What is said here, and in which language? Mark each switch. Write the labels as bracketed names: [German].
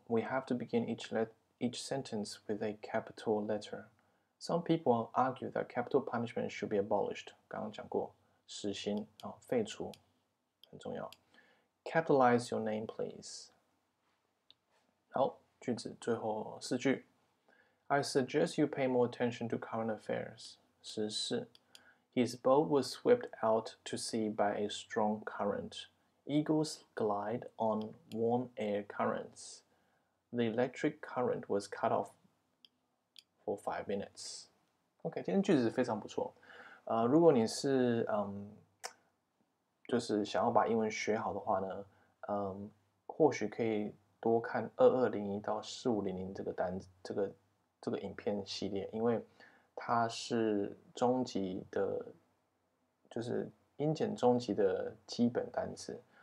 [English] We have to begin each sentence with a capital letter. Some people argue that capital punishment should be abolished. [Chinese] 刚刚讲过，死刑啊，废除很重要。 [English] Capitalize your name, please. [Chinese] 好，句子最后四句。 [English] I suggest you pay more attention to current affairs. [Chinese] 时事。 [English] His boat was swept out to sea by a strong current. Eagles glide on warm air currents. The electric current was cut off for 5 minutes. [Chinese] OK, 今天句子非常不错。如果你是就是想要把英文学好的话呢，或许可以多看2201-4500这个影片系列，因为它是中级的，就是英检中级的基本单词。